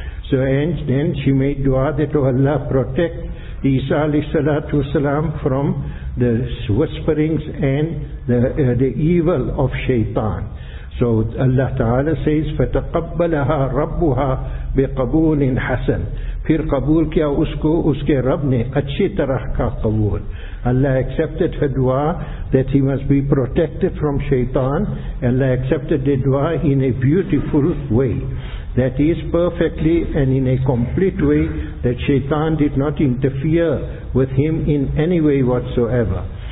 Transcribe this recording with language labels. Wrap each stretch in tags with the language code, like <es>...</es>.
<en>So and then she made dua that, oh Allah, protect Isa alayhi salatu wasalam from the whisperings and the evil of shaitan. So Allah Ta'ala says,</en> <ar>فَتَقَبَّلَهَا رَبُّهَا بِقَبُولٍ حَسَنٍ.</ar> <ur>پھر قبول کیا اس کو اس کے رب نے اچھی طرح کا قبول.</ur> <en>Allah accepted her dua that he must be protected from shaitan. Allah accepted the dua in a beautiful way, that is perfectly and in a complete way, that shaitan did not interfere with him in any way whatsoever.</en>